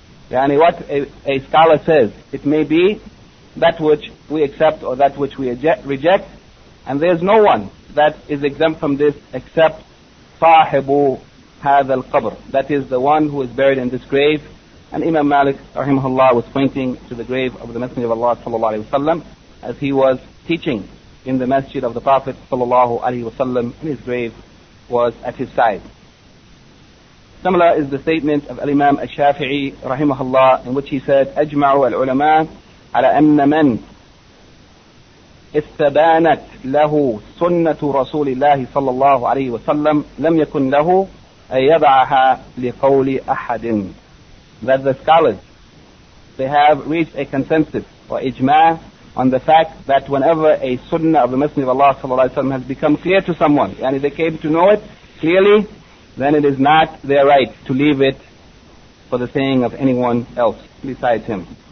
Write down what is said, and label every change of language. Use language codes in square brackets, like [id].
[en] Yani what a scholar says, it may be that which we accept or that which we reject, and there is no one that is exempt from this except [ar] صاحب هذا القبر, [en] that is the one who is buried in this grave. And Imam Malik rahimahullah was pointing to the grave of the Messenger of Allah sallallahu alayhi wa sallam as he was teaching in the masjid of the Prophet sallallahu alayhi wa sallam, and his grave was at his side. Similar is the statement of Imam al-Shafi'i rahimahullah, in which he said, [ar] أجمعوا العلماء على أن من استبانت له سنة رسول الله صلى الله عليه وسلم لم يكن له أن يضعها لقول أحد. [en] That the scholars, they have reached a consensus or ijma on the fact that whenever a sunnah of the Messenger of Allah صلى الله عليه وسلم has become clear to someone, and if they came to know it clearly, then it is not their right to leave it for the saying of anyone else besides him.